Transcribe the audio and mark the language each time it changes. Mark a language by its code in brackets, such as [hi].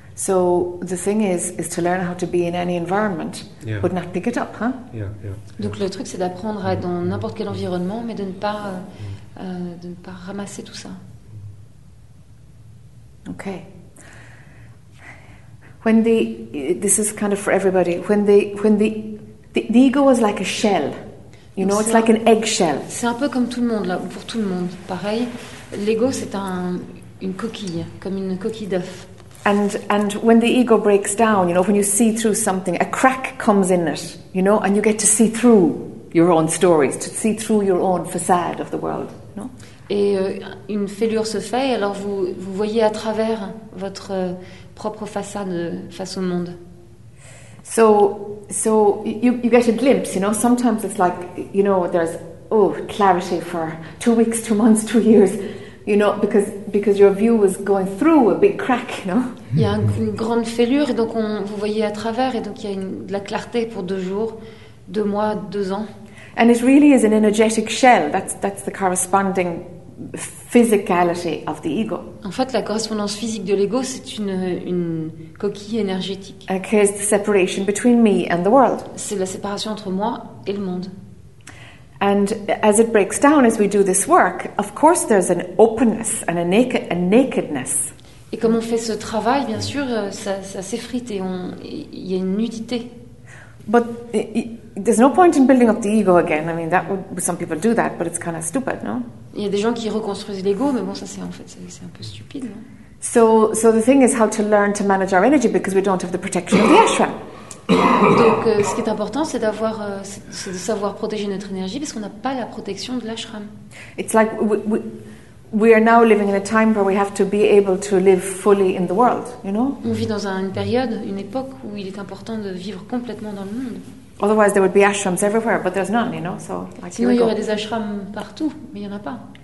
[en] So the thing is to learn how to be in any environment, yeah. but not pick it up, huh? Yeah, yeah, yeah. [fr] Donc le truc c'est d'apprendre à être dans n'importe quel environnement, mais de ne pas ramasser tout ça. [en] Okay. When the this is kind of for everybody. When the ego is like a shell, you know, it's like an eggshell. [fr] C'est un peu comme tout le monde là, pour tout le monde, pareil. L'ego c'est une coquille, comme une coquille d'œuf. [en] And when the ego breaks down, you know, when you see through something, a crack comes in it, you know, and you get to see through your own stories, to see through your own facade of the world, you know. [fr] Et une fêlure se fait, alors vous voyez à travers votre propre façade face au monde. [en] So you get a glimpse, you know. Sometimes it's like, you know, there's clarity for 2 weeks, 2 months, 2 years. You know, because your view was going through a big crack, you know. [fr] Il y a une grande fêlure, et donc vous voyez à travers, et donc il y a de la clarté pour 2 jours, 2 mois, 2 ans. [en] And it really is an energetic shell. That's the corresponding physicality of the ego. [fr] En fait, la correspondance physique de l'ego, c'est une coquille énergétique. [en] And here's the separation between me and the world. [fr] C'est la séparation entre moi et le monde. [en] And as it breaks down, as we do this work, of course there's an openness and a nakedness. [fr] Et comme on fait ce travail, bien sûr, ça s'effrite et il y a une nudité. [en] But there's no point in building up the ego again. I mean, that would, some people do that, but it's kind of stupid, no? [fr] Il y a des gens qui reconstruisent l'ego, mais bon, ça c'est un peu stupide, non? [en] So the thing is how to learn to manage our energy because we don't have the protection of the ashram. [fr] Donc, ce qui est important, c'est de savoir protéger notre énergie, parce qu'on n'a pas la protection de l'ashram. [en] It's like we are now living in a time where we have to be able to live fully in the world, you know. [fr] On vit dans une période, une époque où il est important de vivre complètement dans le monde. [en] Otherwise, there would be ashrams everywhere, but there's none, you know. So, like, [fr] sinon, il y aurait des ashrams partout, mais il y en a pas.